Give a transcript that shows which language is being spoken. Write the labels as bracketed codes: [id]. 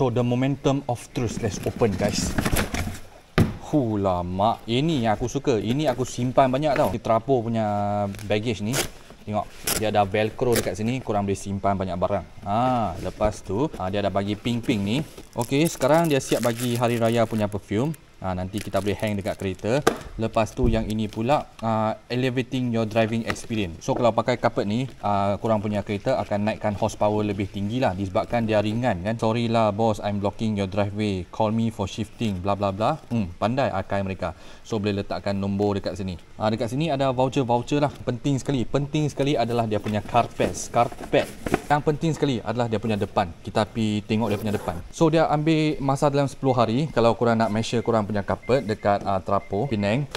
[en] So the momentum of truth, let's open guys. [ms] Lama. Ini yang aku suka. Ini aku simpan banyak tau. Trapo punya baggage ni. Tengok, dia ada velcro dekat sini. Korang boleh simpan banyak barang. Lepas tu, dia ada bagi pink-pink ni. Okay, sekarang dia siap bagi Hari Raya punya perfume. Nanti kita boleh hang dekat kereta. Lepas tu yang ini pula, [en] elevating your driving experience. [ms] So kalau pakai carpet ni, korang punya kereta akan naikkan horsepower lebih tinggi lah, disebabkan dia ringan kan. [en] Sorry lah boss, I'm blocking your driveway, call me for shifting, blah blah blah. [ms] Pandai akai mereka. So boleh letakkan nombor dekat sini. Dekat sini ada voucher-voucher lah. Penting sekali, penting sekali adalah dia punya carpet. Yang penting sekali adalah dia punya depan. Kita pi tengok dia punya depan. So dia ambil masa dalam 10 hari kalau korang nak measure korang punya carpet dekat Trapo Penang.